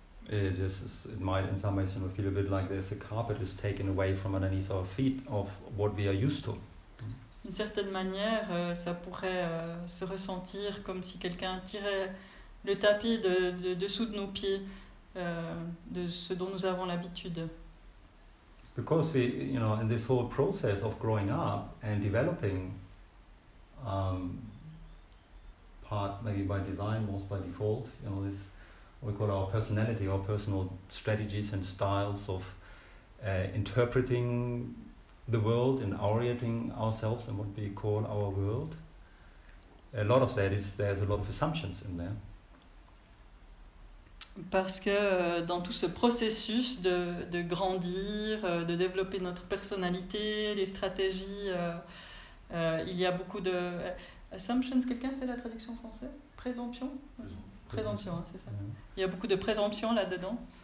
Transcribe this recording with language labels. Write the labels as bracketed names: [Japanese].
[English] It might in some ways you know feel a bit like there's a carpet is taken away from underneath our feet of what we are used to. [French] D'une certaine manière, ça pourrait se ressentir comme si quelqu'un tirait le tapis de dessous de nos pieds, de ce dont nous avons l'habitude. [English] Because we, you know, in this whole process of growing up and developing, part maybe by design, most by default, you know, this we call our personality, our personal strategies and styles of interpreting the world and orienting ourselves in what we call our world. A lot of that is there's a lot of assumptions in there. [French] Parce que dans tout ce processus de grandir, de développer notre personnalité, les stratégies Il y a beaucoup de... Assumptions, quelqu'un sait la traduction française ? Présomption ? Présomption, hein, c'est ça. Yeah. Il y a beaucoup de présomption là-dedans.